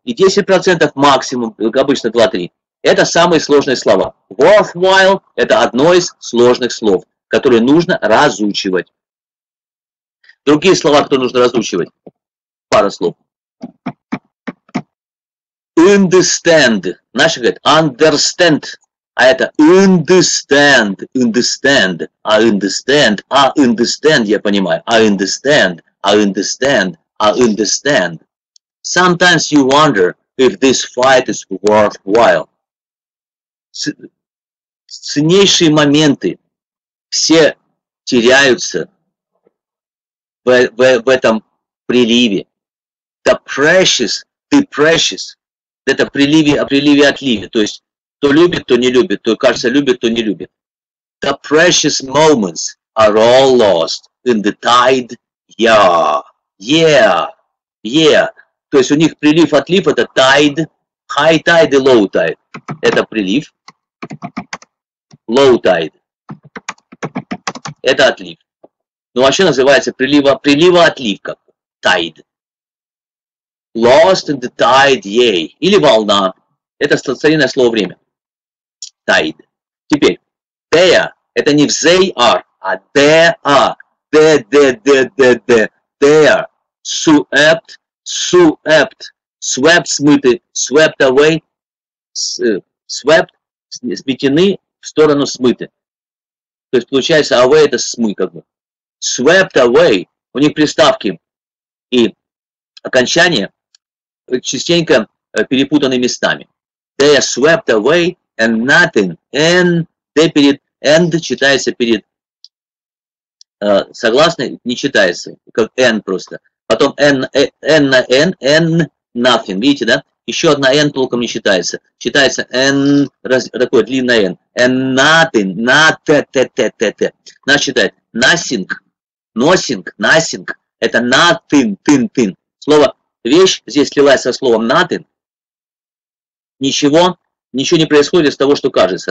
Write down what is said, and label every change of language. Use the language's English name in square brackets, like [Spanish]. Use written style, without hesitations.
[Russian] И 10% максимум, обычно 2-3. Это самые сложные слова. Worthwhile – это одно из сложных слов, которые нужно разучивать. Другие слова, которые нужно разучивать. Пара слов. [English] Understand. [Russian] Наши говорят understand. [English] А это understand, understand, I understand, I understand, [Russian] я понимаю. [English] I understand, I understand, I understand. Sometimes you wonder if this fight is worthwhile. [Russian] Ценнейшие моменты все теряются в этом приливе. The precious, это приливе-отливе, то есть кто любит, то не любит, то, кажется, любит, то не любит. [English] The precious moments are all lost in the tide, yeah, yeah, yeah. [Russian] То есть у них прилив-отлив – это tide, high tide и low tide. Это прилив, low tide – это отлив. Ну, вообще называется прилива-отлив как tide. [English] Lost in the tide, yay. [Russian] Или волна – это старинное слово «время». [English] Tied. [Russian] Теперь, they are, это не they are, а they are, they are, swept, swept, swept, смыты, [English] swept away, [Russian] swept, сметены, в сторону смыты. То есть получается, away это смыть как бы. [English] Swept away, [Russian] у них приставки и окончания частенько перепутаны местами. [English] They are swept away. [Russian] And nothing, and, перед, and читается перед, согласны, не читается, как n просто. Потом n на n, n nothing, видите, да? Еще одна n толком не читается. Читается n, такое длинное n. And nothing, not, значит, читает nothing, nothing, nothing, это nothing, thing, thing. Слово, вещь здесь сливается со словом nothing, ничего. Ничего не происходит из того, что кажется.